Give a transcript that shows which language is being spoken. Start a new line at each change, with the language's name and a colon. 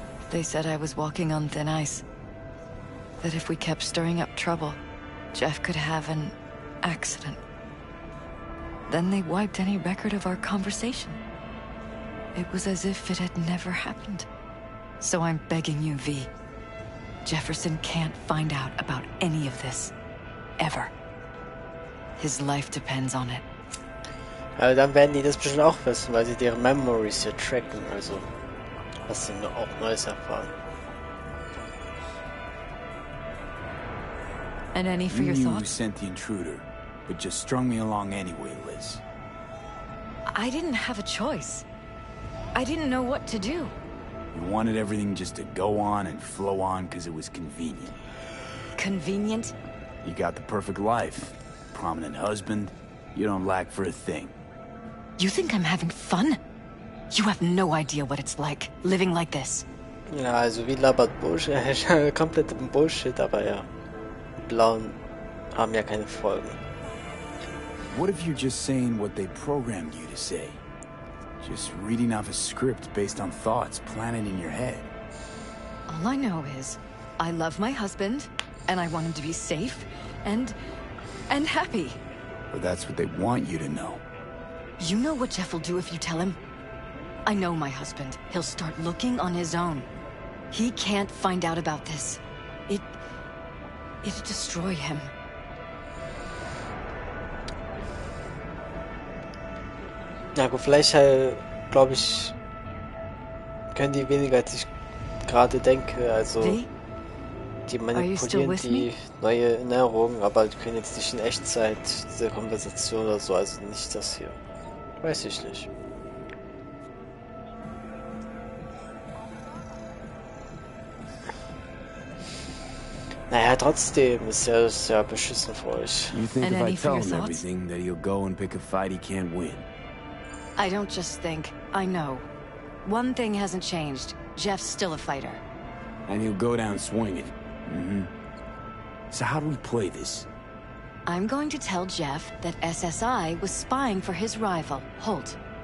English: They said I was walking on thin ice. That if we kept stirring up trouble, Jeff could have an accident. Then they wiped any record of our conversation. It was as if it had never happened. So I'm begging you, V. Jefferson can't find out about any of this. Ever. His life depends on it.
German: Also dann werden die das bestimmt auch wissen, weil sie ihre Memories hier tracken, also was sie nur auch Neues erfahren.
English: And any for you your thoughts? You knew who sent the intruder, but just strung me along anyway, Liz. I didn't have a choice. I didn't know what to do. You wanted everything just to go on and flow on because it was convenient. Convenient? You got the perfect life. Prominent husband. You don't lack for a thing. You think I'm having fun? You have no idea what it's like living like this.
German: Ja, also wie labert Bullshit, komplett Bullshit, aber ja, die Blauen haben ja keine Folgen.
English: What if you're just saying what they programmed you to say? Just reading off a script based on thoughts planted in your head? All I know is, I love my husband, and I want him to be safe, and happy. But that's what they want you to know. You know what Jeff will do if you tell him? I know my husband. He'll start looking on his own. He can't find out about this. It'd destroy him.
German: Na gut, vielleicht glaube ich, können die weniger, als ich gerade denke. Also die manipulieren die neue Erinnerung, aber die können jetzt nicht in Echtzeit diese Konversation oder so, also nicht das hier. Weiß ich nicht. Naja, trotzdem ist er sehr beschissen für euch.
English: You think if I tell him everything, that he'll go and pick a fight he can't win? I don't just think, I know. One thing hasn't changed. Jeff's still a fighter. And he'll go down swinging. Mm-hmm. So how do we play this? I'm going to tell Jeff that SSI was spying for his rival, Holt.